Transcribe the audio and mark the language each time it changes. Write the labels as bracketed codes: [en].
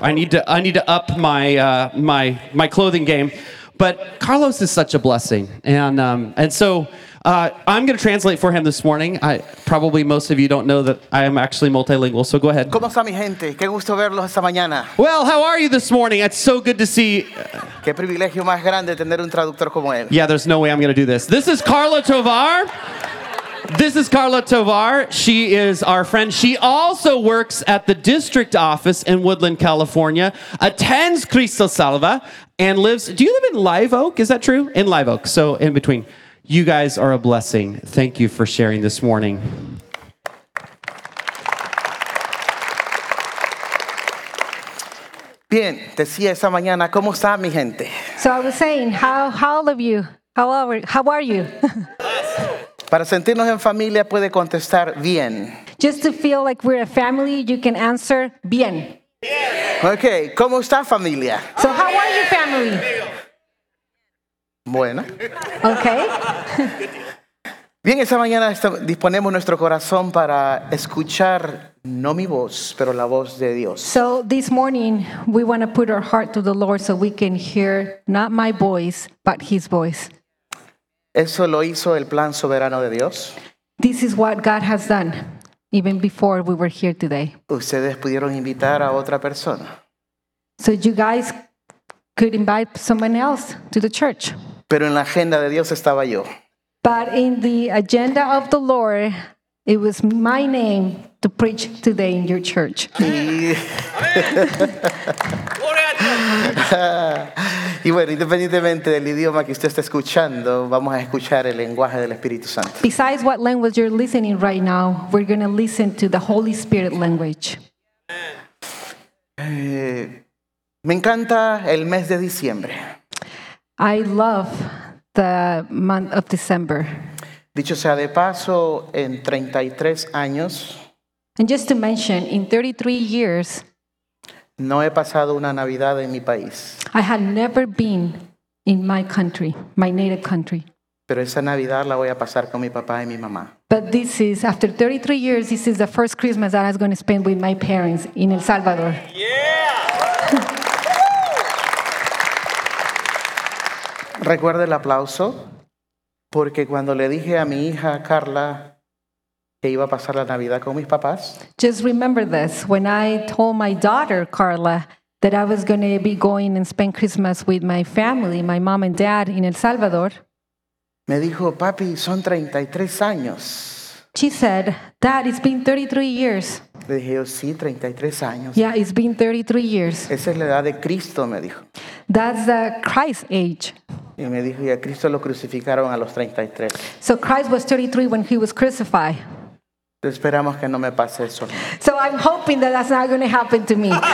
[en] I need to up my my clothing game. But Carlos is such a blessing, and so I'm going to translate for him this morning. Probably most of you don't know that I am actually multilingual, so go ahead. [es] ¿Cómo está mi gente? Qué gusto verlos esta mañana. [en] Well, how are you this morning? It's so good to see. [es] Qué privilegio más grande tener un traductor como él. [en] Yeah, there's no way I'm going to do this. This is Carla Tovar. This is Carla Tovar. She is our friend. She also works at the district office in Woodland, California, attends Cristo Salva, and lives. Do you live in Live Oak? Is that true? In Live Oak. So in between. You guys are a blessing. Thank you for sharing this morning. [es] Bien, decía esa mañana, ¿cómo está mi gente? [en] So I was saying, how all of you? How are you? [es] Para sentirnos en familia puede contestar bien. [en] Just to feel like we're a family, you can answer bien. [es] Yeah. Okay, ¿cómo está familia? [en] So how are you, family? [es] Bueno. [en] Okay. [es] Bien, esta mañana disponemos nuestro corazón para escuchar no mi voz, pero la voz de Dios. [en] So this morning we want to put our heart to the Lord so we can hear not my voice, but his voice. [es] Eso lo hizo el plan soberano de Dios. [en] This is what God has done even before we were here today. [es] Ustedes pudieron invitar a otra persona. [en] So you guys could invite someone else to the church. [es] Pero en la agenda de Dios estaba yo. [en] But in the agenda of the Lord, it was my name to preach today in your church. [es] Y bueno, independientemente del idioma que usted está escuchando, vamos a escuchar el lenguaje del Espíritu Santo. [en] Besides what language you're listening right now, we're going to listen to the Holy Spirit language. [es] Me encanta el mes de diciembre. [en] I love the month of December. [es] Dicho sea de paso, en 33 años. [en] And just to mention, in 33 years. [es] No he pasado una Navidad en mi país. [en] I had never been in my country, my native country. [es] Pero esa Navidad la voy a pasar con mi papá y mi mamá. [en] But this is, after 33 years, this is the first Christmas that I was going to spend with my parents in El Salvador. Yeah! [es] Recuerde el aplauso, porque cuando le dije a mi hija Carla que iba a pasar la Navidad con mis papás. [en] Just remember this, when I told my daughter Carla that I was going to be going and spend Christmas with my family, my mom and dad in El Salvador. [es] Me dijo, papi, son 33 años. [en] She said, Dad, it's been 33 years. [es] Le dije, oh, sí, 33 años. [en] Yeah, it's been 33 years. [es] Esa es la edad de Cristo, me dijo. [en] That's the Christ age. [es] Y me dijo, y a Cristo lo crucificaron a los 33. [en] So Christ was 33 when he was crucified. [es] Esperamos que no me pase eso. [en] So I'm hoping that that's not going to happen to me.